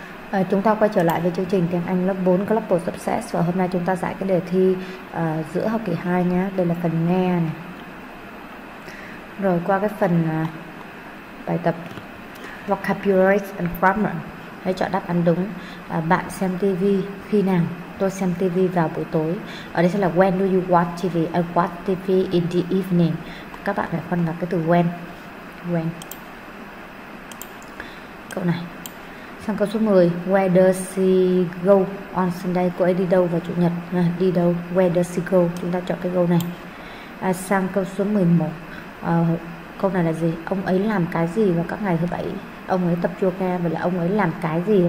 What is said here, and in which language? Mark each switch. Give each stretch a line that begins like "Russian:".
Vietnamese: À, chúng ta quay trở lại với chương trình tiếng Anh lớp 4 Global Success, và hôm nay chúng ta giải cái đề thi giữa học kỳ 2 nhé. Đây là phần nghe này. Rồi qua cái phần bài tập Vocabulary and Grammar, hãy chọn đáp án đúng. Bạn xem TV khi nào? Tôi xem TV vào buổi tối. Ở đây sẽ là
English: When do you watch TV? I watch TV in the evening.
Vietnamese: Các bạn phải phân vào cái từ when.
English: When.
Vietnamese: Câu này. Sang câu số 10,
English: where does she go on Sunday?
Vietnamese: Cô ấy đi đâu vào chủ nhật? À, đi đâu?
English: Where does she go?
Vietnamese: Chúng ta chọn cái câu này. À, sang câu số 11, câu này là gì? Ông ấy làm cái gì vào các ngày thứ bảy? Ông ấy tập yoga, vậy là ông ấy làm cái gì?